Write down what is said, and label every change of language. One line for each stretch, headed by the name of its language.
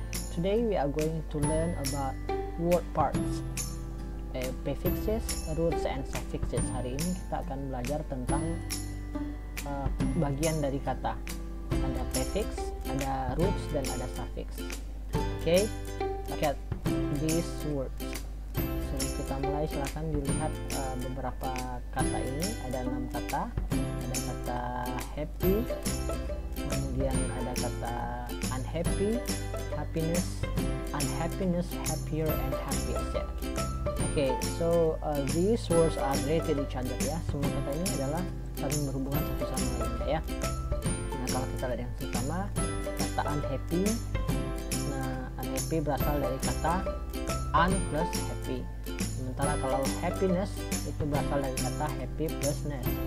English: Today we are going to learn about word parts, prefixes, roots, and suffixes.
Indonesian: Hari ini kita akan belajar tentang bagian dari kata. Ada prefix, ada roots, dan ada suffix.
English: Okay, look at these words.
Indonesian: Kita mulai, silakan dilihat beberapa kata ini. Ada 6 kata. Ada kata happy, kemudian ada kata unhappy, happiness, unhappiness, happier, and happiest, ya.
English: Okay, so these words are related each other, ya.
Indonesian: Semua kata ini adalah saling berhubungan satu sama lain, ya. Nah, kalau kita lihat yang pertama, kata unhappy. Nah, unhappy berasal dari kata un plus happy. Sementara kalau happiness itu berasal dari kata happy plusness.